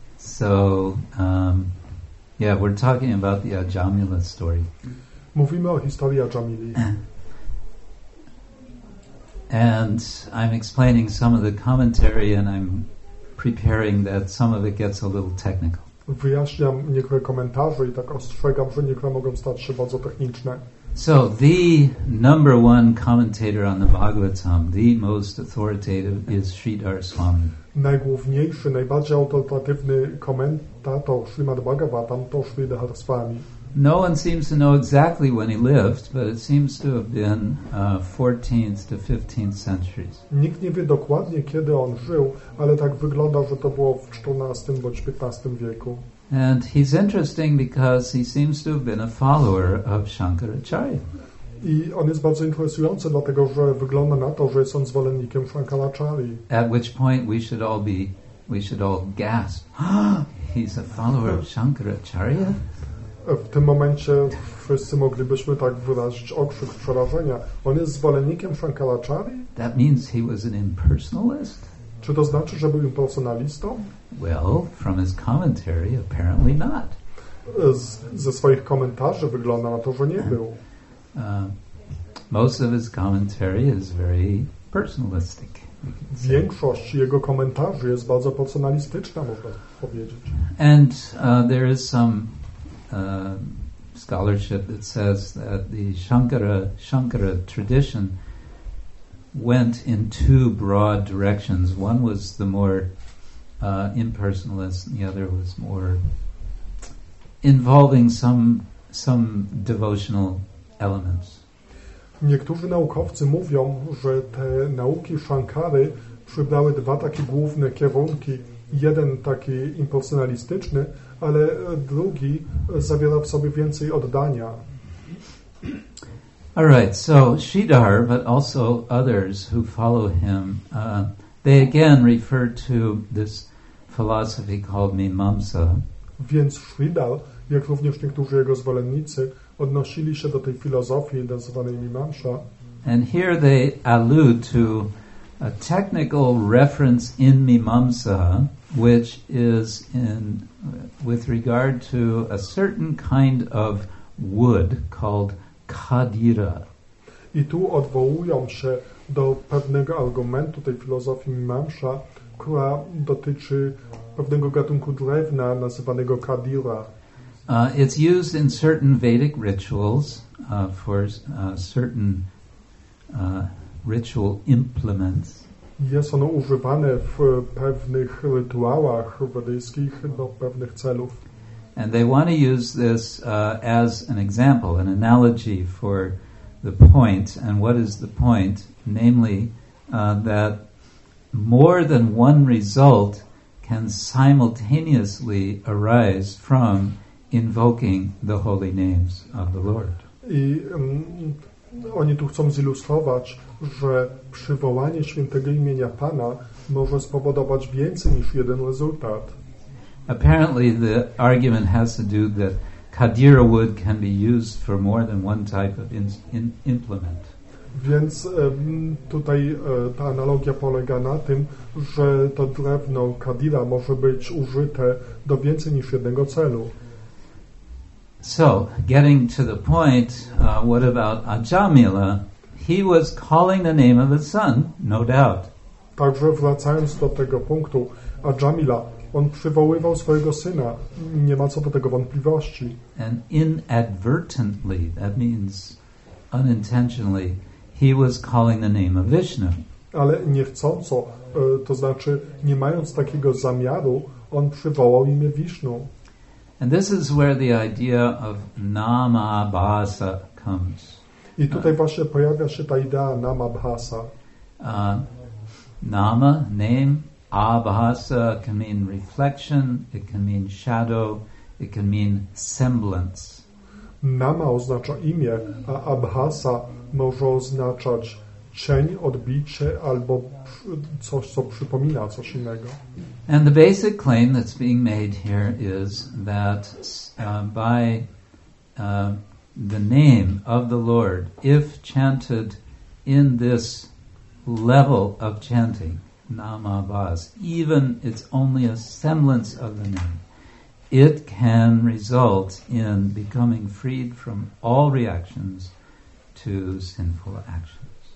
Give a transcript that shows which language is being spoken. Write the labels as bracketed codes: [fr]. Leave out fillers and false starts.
[en] So, we're talking about the Ajamila story. [pl] Mówimy o historii Ajamili. [en] And I'm explaining some of the commentary, and I'm preparing that some of it gets a little technical. [pl] Wyjaśniam niektóre komentarze i tak ostrzegam, że niektóre mogą stać się bardzo techniczne. [en] So, the number one commentator on the Bhagavatam, the most authoritative, is Sridhar Swami. [pl] Najgłówniejszy, najbardziej autorytatywny komentator Śrimad Bhagavatam to Sridhar Swami. [en] No one seems to know exactly when he lived, but it seems to have been 14th to 15th centuries. [pl] Nikt nie wie dokładnie, kiedy on żył, ale tak wygląda, że to było w 14 bądź 15 wieku. [en] And he's interesting because he seems to have been a follower of Shankaracharya. [pl] I on jest bardzo interesujący, dlatego że wygląda na to, że jest on zwolennikiem Shankaracharyi. [en] At which point we should all gasp. He's a follower of Shankaracharya? [pl] W tym momencie wszyscy moglibyśmy tak wyrazić okrzyk przerażenia. On jest zwolennikiem Shankaracharyi? [en] That means he was an impersonalist? [pl] Czy to znaczy, że był impersonalistą? [en] Well, from his commentary, apparently not. [pl] Ze swoich komentarzy wygląda na to, że nie był. [en] Most of his commentary is very personalistic. [pl] Większość jego komentarzy jest bardzo personalistyczna, można powiedzieć. [en] And there is some scholarship that says that the Shankara tradition went in two broad directions. One was the more impersonalist, and the other was more involving some devotional elements. [pl] Niektórzy naukowcy mówią, że te nauki Shankary przybrały dwa takie główne kierunki. Jeden taki impersonalistyczny, ale drugi zawiera w sobie więcej oddania. [en] All right, so Sridhar, but also others who follow him, they again refer to this philosophy called Mimamsa. [pl] Więc Sridhar, jak również niektórzy jego zwolennicy, odnosili się do tej filozofii nazywanej Mimamsa. [en] And here they allude to a technical reference in Mimamsa, which is in with regard to a certain kind of wood called kadira. [pl] I tu odwołują się do pewnego argumentu tej filozofii Mimamsa, która dotyczy pewnego gatunku drewna nazywanego kadila. [en] It's used in certain Vedic rituals for certain ritual implements. [pl] Jest ono używane w pewnych rytuałach wedyjskich do pewnych celów. [en] And they want to use this as an example, an analogy for the point. And what is the point? Namely, that more than one result can simultaneously arise from invoking the holy names of the Lord. [pl] I oni tu chcą zilustrować, że przywołanie świętego imienia Pana może spowodować więcej niż jeden rezultat. [en] Apparently the argument has to do that kadira wood can be used for more than one type of implement. [pl] Więc tutaj ta analogia polega na tym, że to drewno kadira może być użyte do więcej niż jednego celu. [en] So, getting to the point, what about Ajamila? He was calling the name of his son, no doubt. [pl] Także wracając do tego punktu, Ajamila, on przywoływał swojego syna, nie ma co do tego wątpliwości. [en] And inadvertently, that means unintentionally, he was calling the name of Vishnu. [pl] Ale niechcąco, to znaczy nie mając takiego zamiaru, on przywołał imię Vishnu. [en] And this is where the idea of namabhasa comes. [pl] I tutaj właśnie pojawia się ta idea namabhasa. [en] Nama, name, abhasa can mean reflection, it can mean shadow, it can mean semblance. [pl] Nama oznacza imię, a abhasa może oznaczać cień, odbicie albo coś, co przypomina coś innego. [en] And the basic claim that's being made here is that by the name of the Lord, if chanted in this level of chanting, Nama Bhas, even it's only a semblance of the name, it can result in becoming freed from all reactions to sinful actions.